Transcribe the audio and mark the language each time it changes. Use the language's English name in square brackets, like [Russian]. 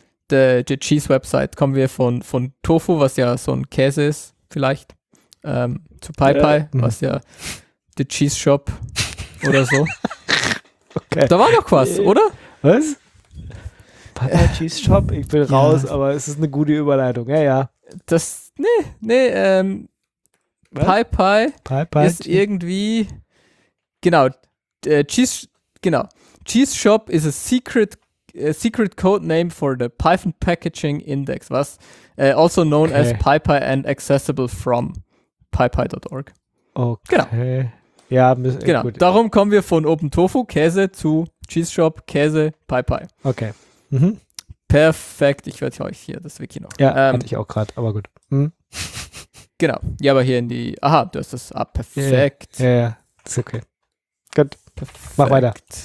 [German] The Cheese Website, kommen wir von Tofu, was ja so ein Käse ist, vielleicht, zu PyPy, was ja The Cheese Shop oder so. Okay. Da war noch was, oder? Was? PyPy Cheese Shop? Ich bin raus, aber es ist eine gute Überleitung, ja. Das, PyPy ist irgendwie, genau, [English] Cheese Shop is a secret code name for the Python Packaging Index, was also known as PyPy and accessible from PyPy.org. [German] Okay. Genau. Ja, genau. Gut. Darum kommen wir von Open Tofu Käse zu Cheese Shop Käse PyPy. Okay. Mhm. Perfekt. Ich werde euch hier das Wiki noch. Ja, hatte ich auch gerade, aber gut. Hm? Genau. Ja, aber hier in die. Aha, du hast das. Ah, perfekt. Ja. Ist okay. Gut. Perfekt. Mach weiter.